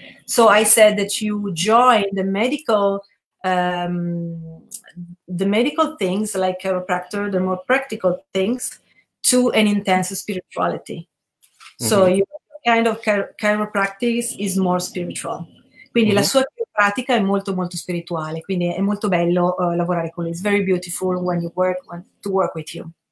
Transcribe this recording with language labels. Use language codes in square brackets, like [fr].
[en] So I said that you joined the medical. The medical things like chiropractor, the more practical things to an intense spirituality. So your kind of chiropractic is more spiritual. [it] Quindi la sua pratica è molto molto spirituale, quindi è molto bello lavorare con lui. [en] It's very beautiful when you work when, to work with you.